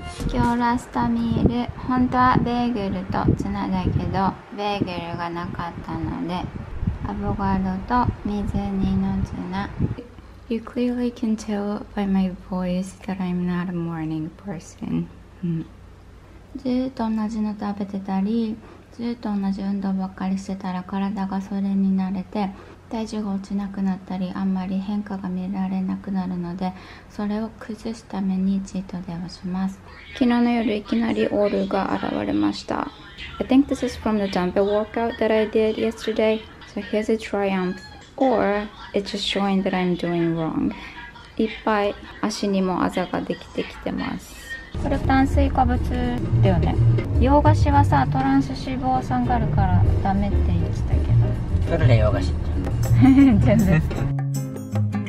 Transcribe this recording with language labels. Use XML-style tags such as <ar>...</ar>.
<ja>今日ラストミール、本当はベーグルとツナだけど、ベーグルがなかったのでアボカドと水煮のツナ。</ja> <en>You clearly can tell by my voice that I'm not a morning person.</en> <ja>ずっと同じの食べてたり、ずっと同じ運動ばっかりしてたら体がそれに慣れて体重が落ちなくなったり、あんまり変化が見られなくなるので、それを崩すためにチートデイをします。昨日の夜いきなりオールが現れました。</ja> <en>I think this is from the dumbbell workout that I did yesterday. So here's a triumph. Or it's just showing that I'm doing wrong.</en> <ja>いっぱい足にもあざができてきてます。これ炭水化物だよね。洋菓子はさ、トランス脂肪酸があるからダメって言ってたけど。どれで洋菓子全部。</ja>